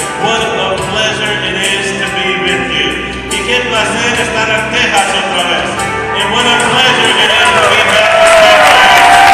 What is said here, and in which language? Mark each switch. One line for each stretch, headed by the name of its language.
English: What a pleasure it is to be with you.
Spanish: Y qué placer estar en Texas otra vez.
English: And what a pleasure it is to be back.